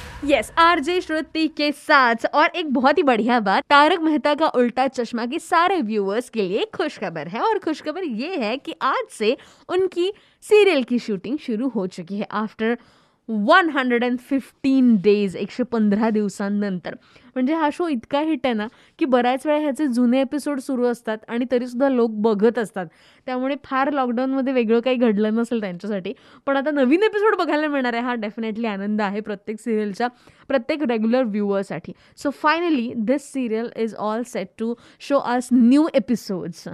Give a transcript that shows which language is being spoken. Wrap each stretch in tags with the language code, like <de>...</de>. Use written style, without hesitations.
<hi>Yes, RJ श्रुति के साथ। और एक बहुत ही बढ़िया बात, तारक मेहता का उल्टा चश्मा के सारे व्यूअर्स के लिए खुशखबर है। और खुशखबर ये है कि आज से उनकी सीरियल की शूटिंग शुरू हो चुकी है आफ्टर 115 डेज,</hi> <mr>115 दिवसांनंतर। म्हणजे हा शो इतका हिट आहे ना की बऱ्याच वेळा ह्याचे जुने एपिसोड सुरू असतात आणि तरीसुद्धा लोक बघत असतात, त्यामुळे फार लॉकडाऊनमध्ये वेगळं काही घडलं नसेल त्यांच्यासाठी। पण आता नवीन एपिसोड बघायला मिळणार आहे, हा डेफिनेटली आनंद आहे प्रत्येक सिरियलच्या प्रत्येक regular व्ह्यूअरसाठी।</mr> <en>So finally this serial is all set to show us new episodes.</en>